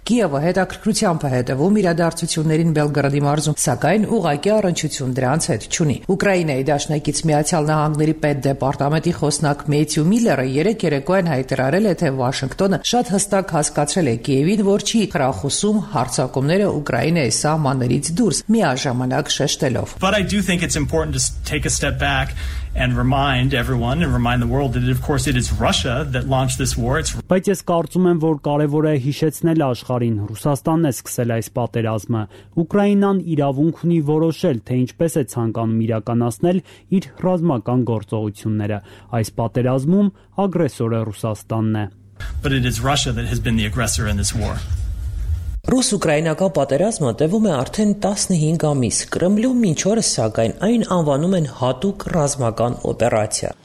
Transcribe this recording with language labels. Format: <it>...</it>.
<hy>Կիևը հետաքրքրությամբ է հետևում իրադարձություններին Բելգրադի մարզում, սակայն ուղղակի առնչություն դրանց հետ չունի։ Ուկրաինայի դաշնակից Միացյալ Նահանգների պետ դեպարտամենտի խոսնակ Մեթյու Միլերը 3-3 հայտարարել է, թե Վաշինգտոնը շատ հստակ հասկացրել է Կիևին, որ չի խրախուսում հարձակումները Ուկրաինայի սահմաններից դուրս, միաժամանակ շեշտելով.</hy> <en>But I do think it's important to take a step back and remind everyone and remind the world that of course it is Russia that launched this war.</en> <hy>Բայց ես կարծում եմ, որ կարևոր է հիշեցնել աշխարհին, Ռուսաստանն է սկսել այս պատերազմը։ Ուկրաինան իրավունք ունի որոշել, թե ինչպես է ցանկանում իրականացնել իր ռազմական գործողությունները։ Այս պատերազմում ագրեսորը Ռուսաստանն է։</hy> <en>But it is Russia that has been the aggressor in this war.</en> <hy>Ռուս-ուկրաինական պատերազմը տևում է արդեն 15 ամիս։ Կրեմլին մինչ օրս, սակայն, այն անվանում են հատուկ ռազմական օպերացիա։</hy>